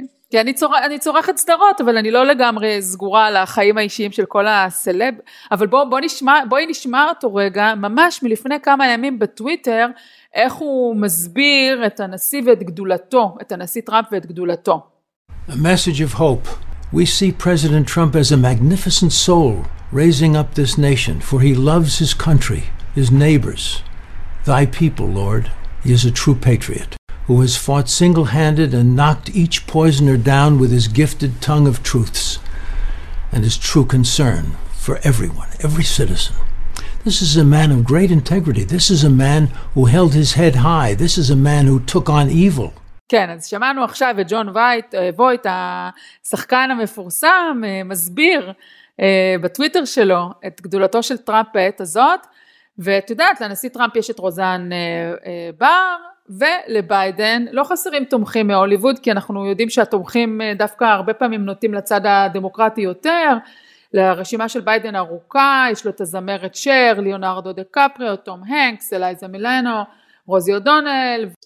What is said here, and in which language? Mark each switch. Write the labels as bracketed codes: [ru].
[he] כי אני צורכת סדרות, אבל אני לא לגמרי סגורה על החיים האישיים של כל הסלב, אבל בואי נשמע אותו רגע, ממש מלפני כמה ימים בטוויטר, איך הוא מסביר את הנשיא ואת גדולתו, את הנשיא טראמפ ואת גדולתו. [en] A message of hope. We see President Trump as a magnificent soul raising up this nation, for he loves his country, his neighbors, thy people, Lord. He is a true patriot who has fought single-handed and knocked each poisoner down with his gifted tongue of truths and his true concern for everyone, every citizen. This is a man of great integrity. This is a man who held his head high. This is a man who took on evil. [he] כן, אז שמענו עכשיו את ג'ון וויט, השחקן המפורסם, מסביר בטוויטר שלו את גדולתו של טראמפ בעת הזאת, ואת יודעת, לנשיא טראמפ יש את רוזן בר, ולביידן לא חסרים תומכים מהוליווד, כי אנחנו יודעים שהתומכים דווקא הרבה פעמים נוטים לצד הדמוקרטי יותר, לרשימה של ביידן ארוכה, יש לו את הזמרת שר, ליאונרדו דקפריו, טום הנקס, אלייזה מילנו, רוזי אודונל.